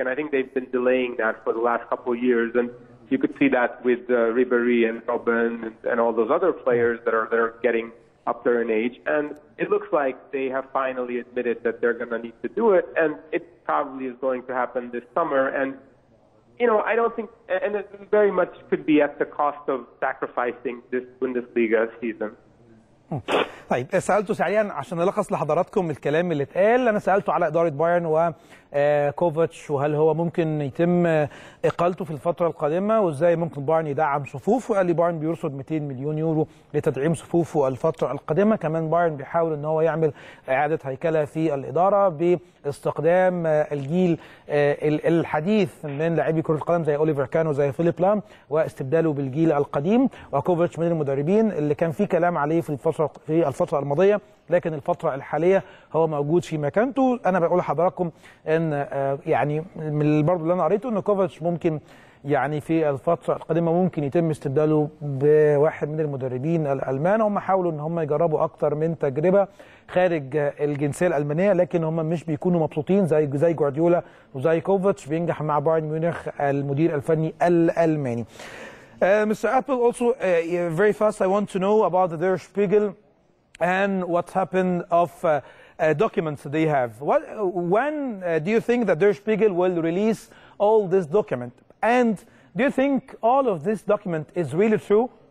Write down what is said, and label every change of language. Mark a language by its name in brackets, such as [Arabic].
[English] And I think they've been delaying that for the last couple of years. And you could see that with Ribéry and Robben and all those other players that are getting up there in age. And it looks like they have finally admitted that they're going to need to do it. And it probably is going to happen this summer. And, you know, I don't think, and it very much could be at the cost of sacrificing this Bundesliga season. [Arabic] طيب سألته سريعا عشان ألخص لحضراتكم الكلام اللي اتقال. أنا سألته على إدارة بايرن وكوفيتش وهل هو ممكن يتم إقالته في الفترة القادمة وإزاي ممكن بايرن يدعم صفوفه. قال لي بايرن بيرصد 200 مليون يورو لتدعيم صفوفه الفترة القادمة. كمان بايرن بيحاول أنه هو يعمل إعادة هيكلة في الإدارة باستخدام الجيل الحديث من لاعبي كرة القدم زي أوليفر كان وزي فيليب لام واستبداله بالجيل القديم. وكوفيتش من المدربين اللي كان في كلام عليه في الفترة الماضية، لكن الفترة الحالية هو موجود في مكانته. أنا بقول لحضراتكم أن يعني من برضو اللي أنا قريته أن كوفيتش ممكن يعني في الفترة القادمة ممكن يتم استبداله بواحد من المدربين الألمان. هم حاولوا أن هم يجربوا أكثر من تجربة خارج الجنسية الألمانية، لكن هم مش بيكونوا مبسوطين زي جوارديولا وزي كوفيتش بينجح مع بايرن ميونخ المدير الفني الألماني. [English] Mr. Apple, also very fast, I want to know about the Der Spiegel and what happened of documents that they have. When do you think that Der Spiegel will release all this document? And do you think all of this document is really true?